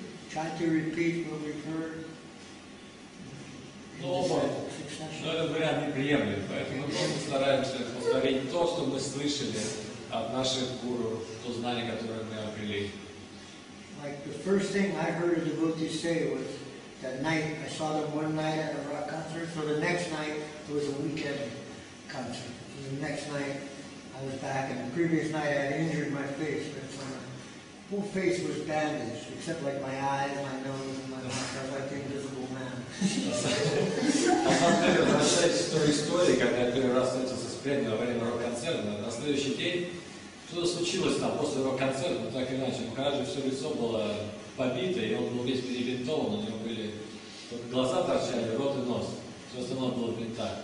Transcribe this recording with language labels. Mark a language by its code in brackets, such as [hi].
[en] Try to repeat what we've heard. [ru] Но этот вариант неприемлем, поэтому мы просто стараемся повторить то, что мы слышали от наших гуру, то знание, которое мы обрели. [en] Like the first thing I heard a devotee say was that night I saw them one night at a rock concert, so the next night it was a weekend concert. So the next night I was back, and the previous night I had injured my face, but my whole face was bandaged, except like my eyes, my nose, my mouth. I was like the invisible man. [ru] На самом деле, возвращаясь к той истории, когда я первый раз встретился с Преми во время рок-концерта, на следующий день что-то случилось там после рок-концерта, но так иначе. У Махараджи все лицо было побито, и он был весь перебинтован, у него были только глаза торчали, рот и нос. Все остальное было в бинтах.